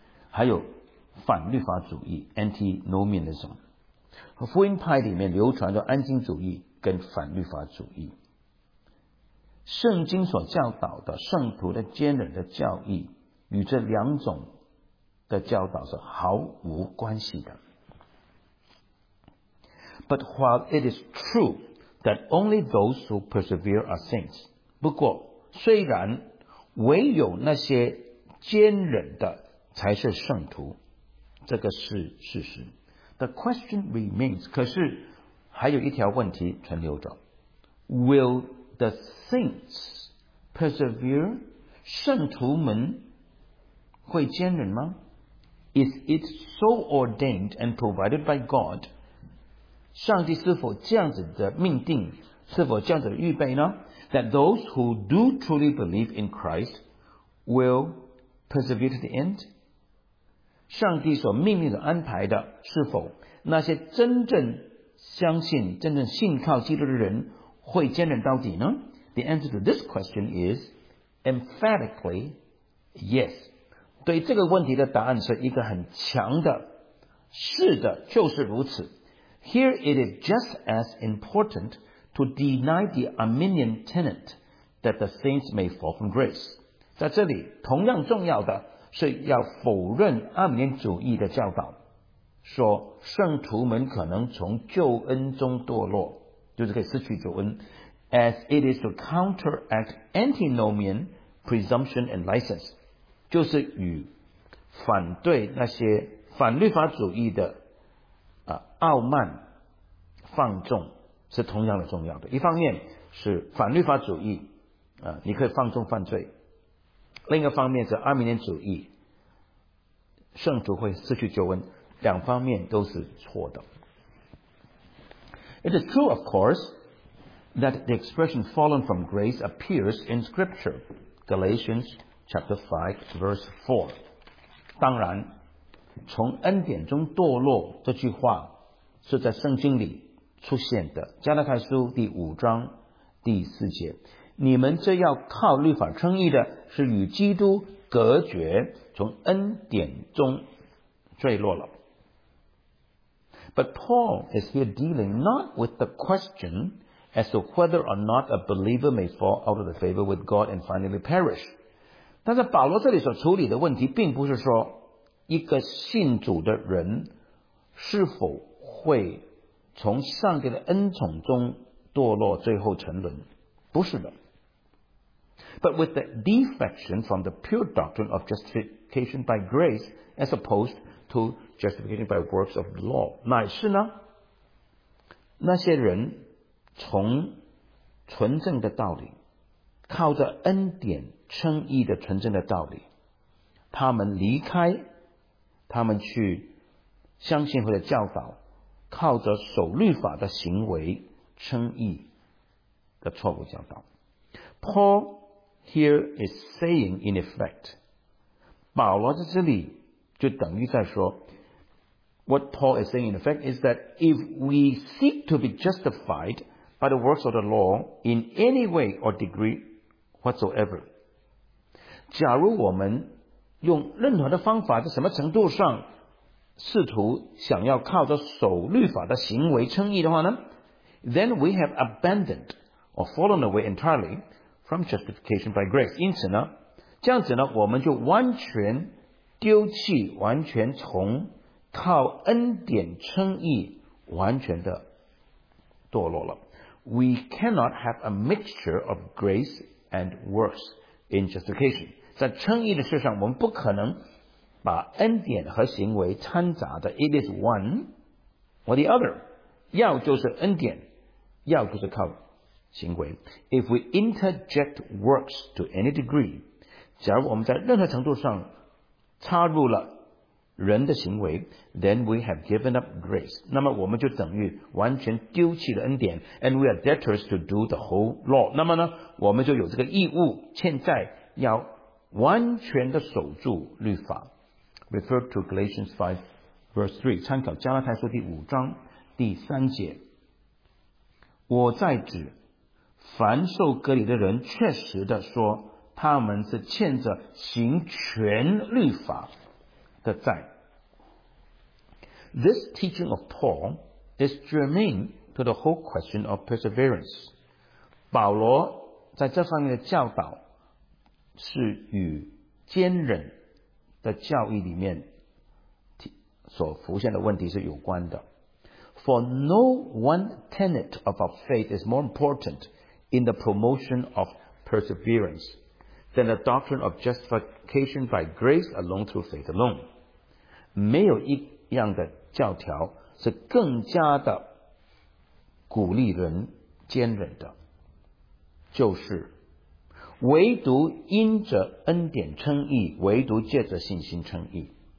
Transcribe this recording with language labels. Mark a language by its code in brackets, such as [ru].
[zh] 还有反律法主义 antinomianism， 福音派里面流传着安静主义跟反律法主义。圣经所教导的圣徒的坚忍的教义与这两种的教导是毫无关系的。 [en] But while it is true that only those who persevere are saints， [zh] 不过虽然唯有那些坚忍的才是圣徒，这个是事实。 [en] The question remains， [zh] 可是还有一条问题存留着。 [en] Will the saints persevere？ [zh] 圣徒们会坚忍吗？ [en] Is it so ordained and provided by God？ [zh] 上帝是否这样子的命定，是否这样子的预备呢？ [en] That those who do truly believe in Christ will persevere to the end？ [zh] 上帝所命令的安排的，是否那些真正相信，真正信靠基督的人会坚忍到底呢？ [en] The answer to this question is emphatically yes。 [zh] 对这个问题的答案是一个很强的，是的，就是如此。 [en] Here it is just as important to deny the Arminian tenet that the saints may fall from grace。 [zh] 在这里，同样重要的是要否认阿米尼主义的教导，说圣徒们可能从救恩中堕落，就是可以失去救恩。 [en] As it is to counteract antinomian presumption and license。 [zh] 就是与反对那些反律法主义的傲慢放纵是同样的重要的。一方面是反律法主义你可以放纵犯罪，另一个方面是阿米尼主义圣徒会失去救恩，两方面都是错的。 [en] It is true of course that the expression fallen from grace appears in scripture Galatians Chapter 5, verse 4. [zh] 当然，从恩典中堕落这句话是在圣经里出现的。加拉太书第五章第四节，你们这要靠律法称义的，是与基督隔绝，从恩典中坠落了。 [en] But Paul is here dealing not with the question as to whether or not a believer may fall out of the favor with God and finally perish. [zh] 但是保罗这里所处理的问题，并不是说一个信主的人是否会从上帝的恩宠中堕落，最后沉沦，不是的。 [en] But with the defection from the pure doctrine of justification by grace as opposed to justification by works of law. [zh] 乃是呢，那些人从纯正的道理，靠着恩典称义的纯正的道理，他们离开，他们去相信或者教导，靠着守律法的行为称义的错误教导。 [en] Paul here is saying in effect, [zh] 保罗在这里就等于在说， [en] What Paul is saying in effect is that if we seek to be justified by the works of the law in any way or degree whatsoever, [zh] 假如我们用任何的方法在什么程度上试图想要靠着守律法的行为称义的话呢， [en] then we have abandoned or fallen away entirely from justification by grace. [zh] 因此呢，这样子呢，我们就完全丢弃，完全从靠恩典称义完全的堕落了。 [en] We cannot have a mixture of grace and works in justification. [zh] 在称义的事上，我们不可能把恩典和行为掺杂的。 [en] It is one or the other. [zh] 要就是恩典，要就是靠行为。 [en] If we interject works to any degree, [zh] 假如我们在任何程度上插入了人的行为， [en] then we have given up grace. [zh] 那么我们就等于完全丢弃了恩典， [en] and we are debtors to do the whole law. [zh] 那么呢，我们就有这个义务，现在要完全的守住律法。 [en] Refer to Galatians 5 verse 3, [zh] 参考加拉太书第五章第三节。我在指凡受割礼的人确实的说他们是欠着行全律法的债。 [en] This teaching of Paul is germane to the whole question of perseverance. [zh] 保罗在这方面的教导是与坚忍的教义里面所浮现的问题是有关的。 [en] For no one tenet of our faith is more important in the promotion of perseverance than the doctrine of justification by grace alone through faith alone. [zh] 没有一样的教条是更加的鼓励人坚忍的，就是唯独因着恩典称义，唯独借着信心称义。